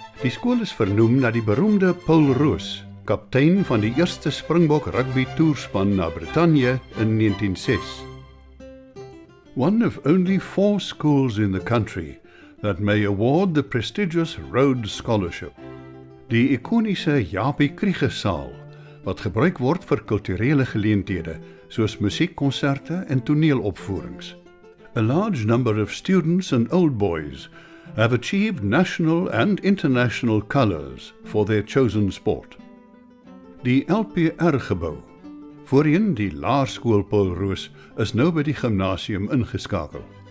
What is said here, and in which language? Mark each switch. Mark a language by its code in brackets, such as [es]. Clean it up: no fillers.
[af] Die skool is vernoem na die beroemde Paul Roos, kaptein van die eerste Springbok rugby toerspan na Brittanje in 1906. [en] One of only 4 schools in the country that may award the prestigious Rhodes Scholarship. [af] Die ikoniese Japie Kriegersaal, wat gebruik word vir kulturele geleenthede soos musiekkonserte en toneelopvoerings. [en] A large number of students and old boys have achieved national and international colours for their chosen sport. [af] Die LPR-gebou, voorheen die Laerskool Paul Roos, is nou by die gymnasium ingeskakel.